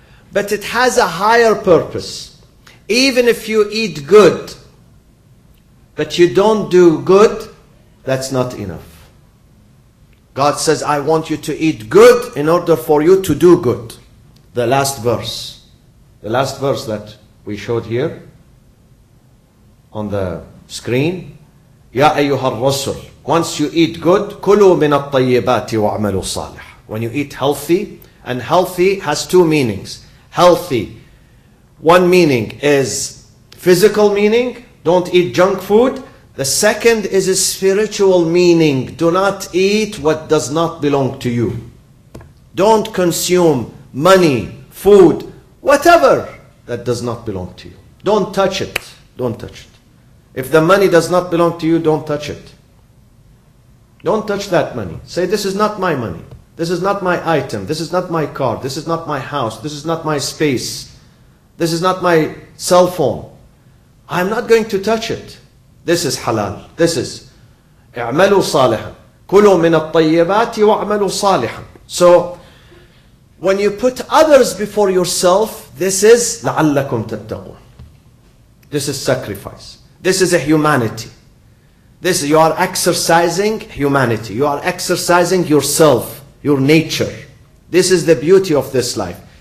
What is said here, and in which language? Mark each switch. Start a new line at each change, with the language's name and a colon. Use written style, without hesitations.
English: But it has a higher purpose. Even if you eat good, but you don't do good, that's not enough. God says, I want you to eat good in order for you to do good. the last verse that we showed here on the screen.
Arabic: يا أيها الرسل.
English: Once you eat good,
Arabic: كلوا من الطيبات وعملوا صالح.
English: When you eat healthy, and healthy has two meanings. Healthy, one meaning is physical meaning, don't eat junk food. The second is a spiritual meaning. Do not eat what does not belong to you. Don't consume money, food, whatever that does not belong to you. Don't touch it. Don't touch it. If the money does not belong to you, don't touch it. Don't touch that money. Say, this is not my money. This is not my item. This is not my car. This is not my house. This is not my space. This is not my cell phone. I'm not going to touch it. This is halal. This is
Arabic: اعملوا صالحا. كلوا من الطيبات واعملوا صالحا.
English: So, when you put others before yourself, this is
Arabic: لعلكم تتقون.
English: This is sacrifice. This is a humanity. This you are exercising humanity. You are exercising yourself, your nature. This is the beauty of this life.